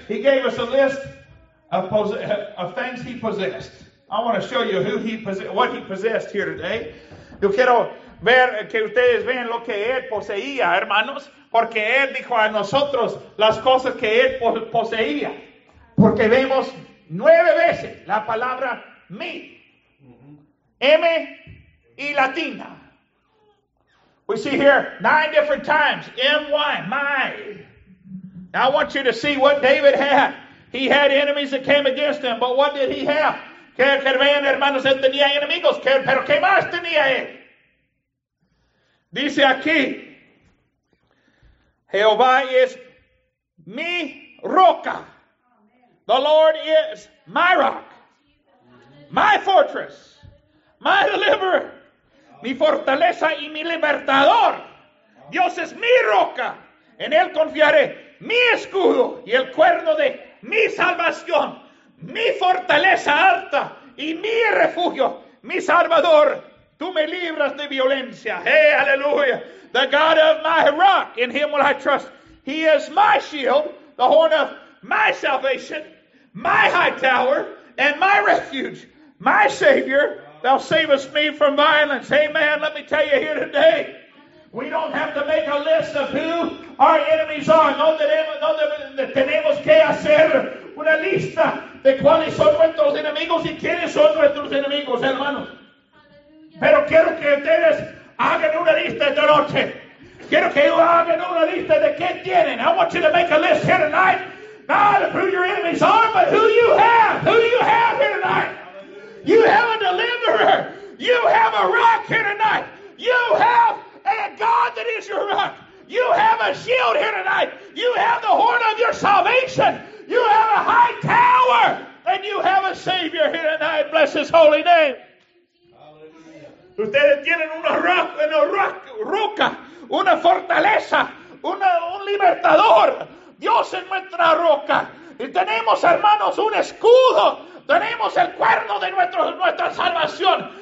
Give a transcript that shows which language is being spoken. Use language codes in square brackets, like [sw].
[en] He gave us a list of things he possessed. I want to show you what he possessed here today. [es] Yo quiero ver que ustedes vean lo que él poseía, hermanos, porque él dijo a nosotros las cosas que él poseía. Porque vemos 9 veces la palabra mi, M y Latina. [en] We see here 9 different times, M-Y, my. I want you to see what David had. He had enemies that came against him, but what did he have? [es] ¿Qué vean, hermanos? Él tenía enemigos, pero ¿qué más tenía él? Dice aquí, Jehová es mi roca. [en] The Lord is my rock, my fortress, my deliverer, [es] mi fortaleza y mi libertador. Dios es mi roca, en él confiaré. Mi escudo y el cuerno de mi salvación, mi fortaleza alta y mi refugio, mi salvador, tú me libras de violencia. Hey, aleluya. [en] The God of my rock, in him will I trust. He is my shield, the horn of my salvation, my high tower, and my refuge, my savior. Thou savest me from violence. Amen. Let me tell you here today, we don't have to make a list of who our enemies are. [es] No tenemos que hacer una lista de cuáles son nuestros enemigos y quiénes son nuestros enemigos, hermanos. Pero quiero que ustedes hagan una lista esta noche. Quiero que hagan una lista de qué tienen. [en] I want you to make a list here tonight, not of who your enemies are, but who you have. Who you have here tonight. You have a deliverer. You have a rock here tonight. You have a God that is your rock. You have a shield here tonight. You have the horn of your salvation. You have a high tower. And you have a Savior here tonight. Bless his holy name. Hallelujah. [es] Ustedes tienen una roca, una fortaleza, un libertador. Dios es nuestra roca. Y tenemos, hermanos, un escudo. Tenemos el cuerno de nuestra salvación.